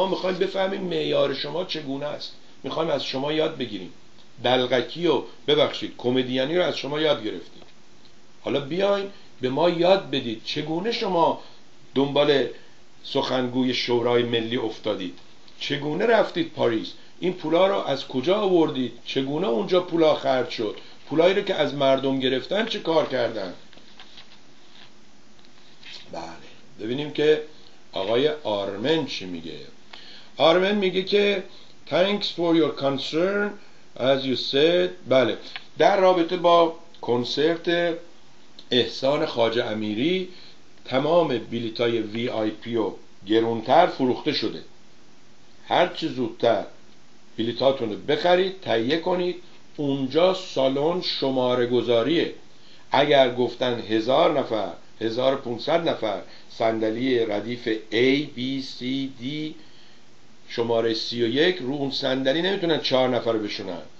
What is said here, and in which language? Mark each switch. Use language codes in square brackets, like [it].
[fa] ما میخوایم بفهمیم معیار شما چگونه است، میخوایم از شما یاد بگیریم دلغکی و ببخشید کمدیانی رو از شما یاد گرفتیم، حالا بیاین به ما یاد بدید چگونه شما دنبال سخنگوی شورای ملی افتادید، چگونه رفتید پاریس، این پولا رو از کجا آوردید، چگونه اونجا پولا خرج شد، پولایی رو که از مردم گرفتن چه کار کردن. بله ببینیم که آقای آرمن چی میگه. آرمن میگه که [en] Thanks for your concern as you said. [fa] بله در رابطه با کنسرت احسان خواجه امیری تمام بلیتای VIP رو گرونتر فروخته شده، هر چه زودتر بلیتاتون رو بخرید تهیه کنید، اونجا سالن شماره گذاریه، اگر گفتن 1000 نفر 1500 نفر صندلی ردیف A, B, C, D شماره 31 رو اون صندلی نمیتونن 4 نفر بشونن.